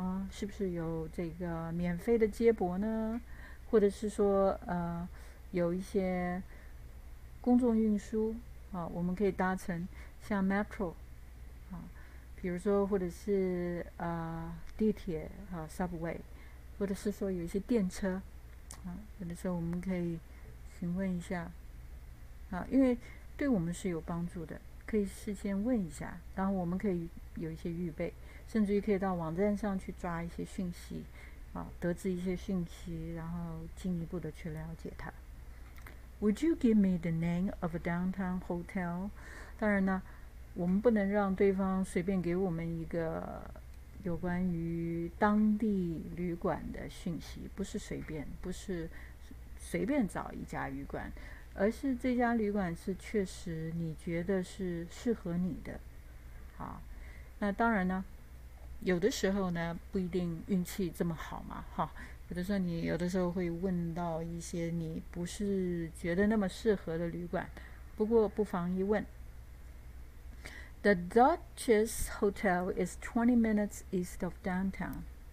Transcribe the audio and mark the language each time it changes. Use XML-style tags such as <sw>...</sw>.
<zh>是不是有这个免费的接驳呢？或者是说，有一些公众运输我们可以搭乘像 metro 比如说或者是地铁subway，或者是说有一些电车有的时候我们可以询问一下因为对我们是有帮助的，可以事先问一下，然后我们可以有一些预备。甚至于可以到网站上去抓一些讯息，得知一些讯息，然后进一步的去了解它。</zh> <en>Would you give me the name of a downtown hotel？</en> <zh>当然呢，我们不能让对方随便给我们一个有关于当地旅馆的讯息，不是随便，不是随便找一家旅馆，而是这家旅馆是确实你觉得是适合你的。好，那当然呢。有的时候呢，不一定运气这么好嘛，有的时候你有的时候会问到一些你不是觉得那么适合的旅馆，不过不妨一问。</zh> <en>The Duchess Hotel is 20 minutes east of downtown.</en>